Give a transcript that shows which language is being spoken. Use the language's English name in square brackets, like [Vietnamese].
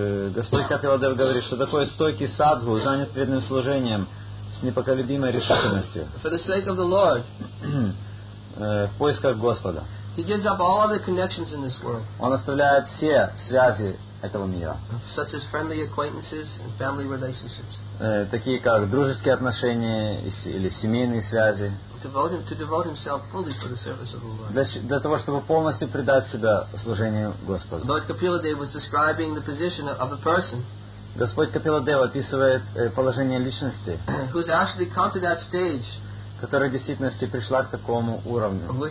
[Russian] Господь Капиладев говорит, что такой стойкий садху, занят преданным служением, с непоколебимой решительностью. [English] For the sake of the Lord. [Russian] В поисках Господа. [English] He gives up all other connections in this world. [Russian] Он оставляет все связи этого мира. [English] Such as friendly acquaintances and family relationships. [Russian] Такие как дружеские отношения или семейные связи. [English] To devote himself fully for the service of the Lord. [Russian] Для того, чтобы полностью предать себя служению Господу. [English] Lord Kapiladeva was describing the position of a person. [Russian] Господь Капиладев описывает положение личности. [English] Who's actually come to that stage? [Russian] Которая в действительности пришла к такому уровню,